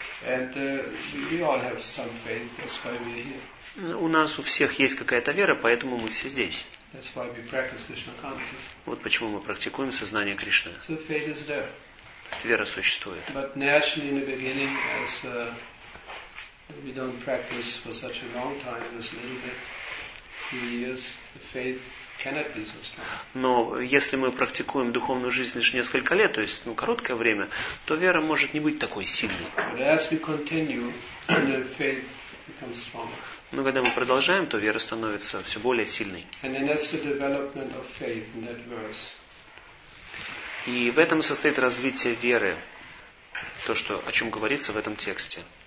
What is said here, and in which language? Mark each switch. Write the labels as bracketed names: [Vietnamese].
[English] And we all have some faith, that's why we're here. [Russian] У нас у всех есть какая-то вера, поэтому мы все здесь. [English] That's why we practice Krishna consciousness. [Russian] Вот почему мы практикуем сознание Кришны. [English] So faith is there. [Russian] То есть вера существует. [English] But naturally in the beginning, as we don't practice for such a long time, as a little bit, few years, the faith cannot be so strong. [Russian] Но если мы практикуем духовную жизнь лишь несколько лет, то есть короткое время, то вера может не быть такой сильной. [English] But as we continue, the faith becomes stronger. [Russian] Но когда мы продолжаем, то вера становится все более сильной. [English] And then that's the development of faith in that verse. [Russian] И в этом состоит развитие веры, то, что, о чем говорится в этом тексте.